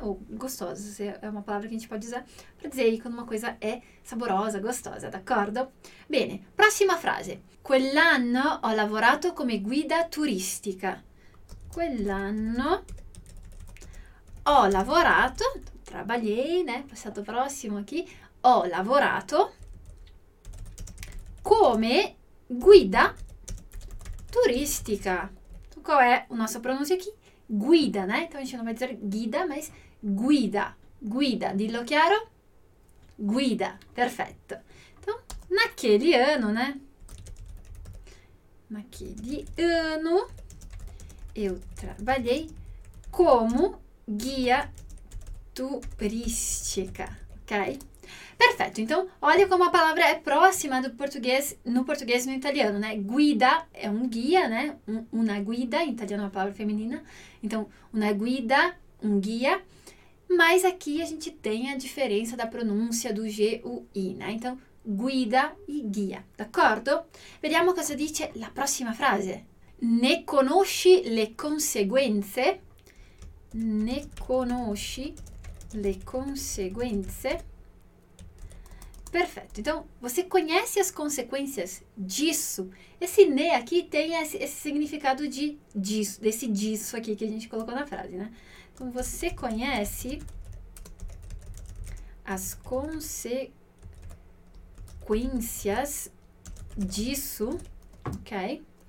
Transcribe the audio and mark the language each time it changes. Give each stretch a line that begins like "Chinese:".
Portuguese: Ou gostosas, é uma palavra que a gente pode usar para dizer aí quando uma coisa é saborosa, gostosa, d'accordo?
Italian: Bene, prossima frase. Quell'anno ho lavorato come guida turistica. Quell'anno ho lavorato,
Portuguese: trabalhei, né?
Italian: Passato prossimo
Portuguese: aqui.
Italian: Ho lavorato come guida turistica. Qual è la nostra pronuncia qui? Guida,
Portuguese: né? Então a gente
Italian: non va a dire guida, ma guida. Guida, dillo chiaro? Guida, perfetto.
Portuguese: Então, naquele anno, né? Naquele anno eu trabalhei como guia turística, ok? Perfeito, então olha como a palavra é próxima do português, no português e no italiano, né? Guida é um guia, né?
Italian: Una guida,
Portuguese: em italiano é uma palavra feminina. Então,
Italian: una guida,
Portuguese: um guia. Mas aqui a gente tem a diferença da pronúncia do G, o I, né? Então, guida e guia, d'accordo?
Italian: Vediamo cosa dice la prossima frase. Ne conosci le conseguenze? Ne conosci le conseguenze? Perfetto.
Portuguese: Então, você conhece as consequências disso? Esse ne aqui tem esse significado de disso, desse disso aqui que a gente colocou na frase, né? Então, você conhece as consequências disso, ok?